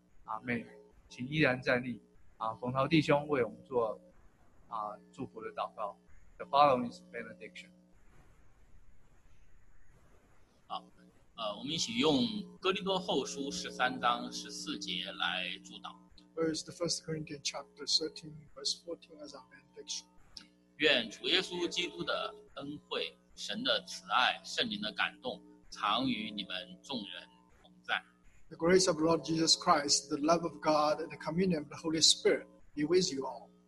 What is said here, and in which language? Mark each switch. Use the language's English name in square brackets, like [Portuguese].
[Chinese] 阿妹，请依然站立冯涛弟兄为我们做祝福的祷告。 [English] The following is benediction。 [Chinese] 我们一起用哥林多后书13章14节来祝祷。 [English] Where is the First Corinthians chapter 13, verse 14 as our benediction? [Chinese] 愿主耶稣基督的恩惠、神的慈爱、圣灵的感动，常与你们众人同在。 [English] The grace of Lord Jesus Christ, the love of God, and the communion of the Holy Spirit be with you all.